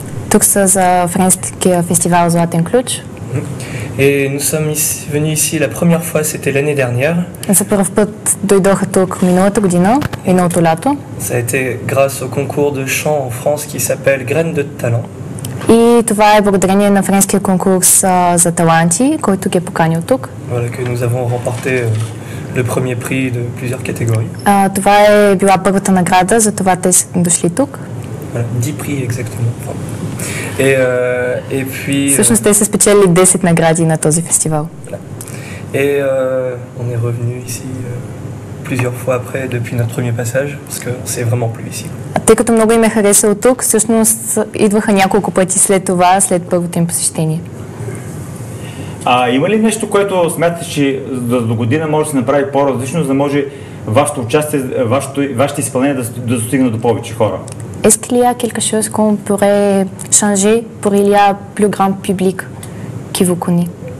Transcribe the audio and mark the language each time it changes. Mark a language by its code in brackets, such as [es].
[fr] Donc c'est un French festival Zlatan Ključ. Et nous sommes venus ici la première fois, c'était l'année dernière. C'est pour le premier fois que nous sommes venus ici, et ça a été grâce au concours de chant en France qui s'appelle Graines de Talent. [bg] И това е благодарение на френския конкурс за таланти, който ги е поканил тук. [fr] Voilà que nous avons remporté le premier prix de plusieurs catégories. [bg] Това е била първата награда, затова те са дошли тук. [fr] Voilà, 10 prix exactement. Et puis [bg] всъщност те са спечелили 10 награди на този фестивал. [fr] Voilà. On est revenu ici plusieurs fois après depuis notre premier passage parce que c'est vraiment plus ici. [bg] Тъй като много им е харесало тук, всъщност идваха няколко пъти след това, след първото им посещение. А има ли нещо, което смятате, че за до година може да се направи по-различно, за да може вашето участие, вашето изпълнение да достигне до повече хора? [fr] Est-ce qu'il y a quelque chose qu'on pourrait changer pour qu'il y ait plus grand public qui vous connaît?